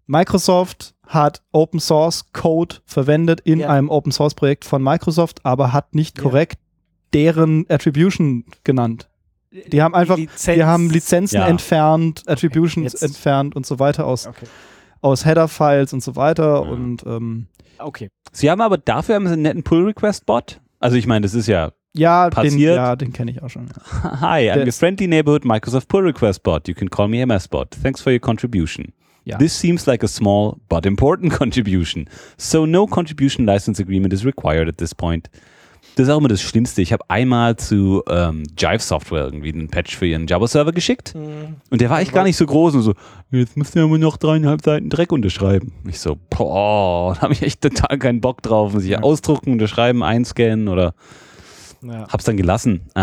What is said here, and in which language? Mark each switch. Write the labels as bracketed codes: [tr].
[de] Microsoft hat Open Source Code verwendet in einem Open Source Projekt von Microsoft, aber hat nicht korrekt deren Attribution genannt. Die haben einfach Lizenzen entfernt, Attributions entfernt und so weiter aus Header-Files und so weiter. Ja. Und okay. Sie haben aber dafür haben sie einen netten Pull-Request-Bot. Also ich meine, das ist ja passiert. Den kenne ich auch schon. Ja. [en] Hi, I'm your friendly neighborhood Microsoft Pull-Request-Bot. You can call me MS-Bot. Thanks for your contribution. [de] Ja. [en] This seems like a small but important contribution. So no contribution license agreement is required at this point. [de] Das ist auch immer das Schlimmste. Ich habe einmal zu Jive Software irgendwie einen Patch für ihren Java-Server geschickt. Und der war echt gar nicht so groß. Und so, jetzt müsst ihr aber noch 3,5 Seiten Dreck unterschreiben. Ich so, boah, da habe ich echt total keinen Bock drauf. Muss ich ausdrucken, unterschreiben, einscannen oder hab's dann gelassen.